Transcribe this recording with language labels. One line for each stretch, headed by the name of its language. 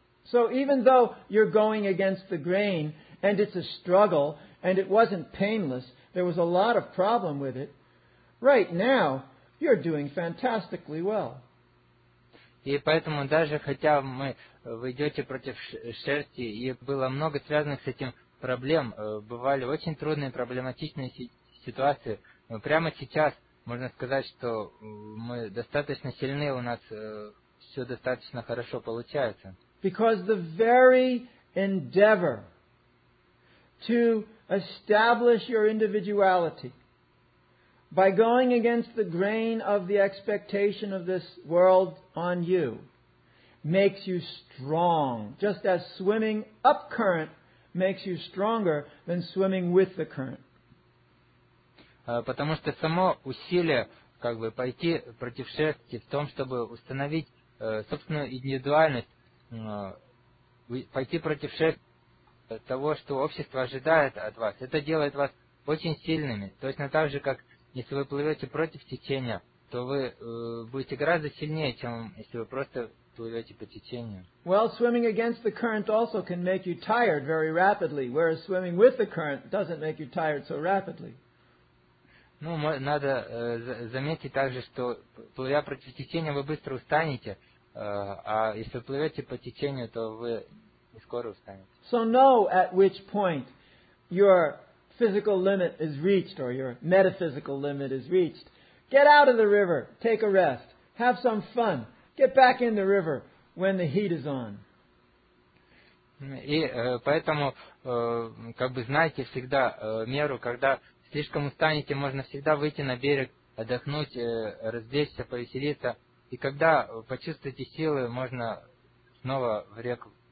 English: So even though you're going against the grain, and it's a struggle, and it wasn't painless, there was a lot of problem with it, right now, you're doing fantastically well.
Russian: И поэтому, даже хотя вы идете против шерсти, и было много связанных с этим проблем, бывали очень трудные, проблематичные ситуации, но прямо сейчас можно сказать, что мы достаточно сильны, у нас все достаточно хорошо получается.
English: Because the very endeavor to establish your individuality by going against the grain of the expectation of this world on you makes you strong, just as swimming up current makes you stronger than swimming with the current.
Russian: Потому что само усилие, как бы пойти против шерсти в том, чтобы установить собственную индивидуальность, пойти против шерсти того, что общество ожидает от вас, это делает вас очень сильными. Точно так же, как если вы плывете против течения, то вы будете гораздо сильнее, чем если вы просто плывете по течению.
English: Well, swimming against the current also can make you tired very rapidly, whereas swimming with the current doesn't make you tired so rapidly.
Russian: Ну, надо заметить также, что плывя против течения, вы быстро устанете, а если вы плывете по течению, то вы
English: So know at which point your physical limit is reached or your metaphysical limit is reached. Get out of the river, take a rest, have some fun, get back in the river when the heat is on.
Russian: И поэтому, как бы знайте всегда меру, когда слишком устанете, можно всегда выйти на берег, отдохнуть, развлечься, повеселиться. И когда почувствуете силы, можно снова в реку.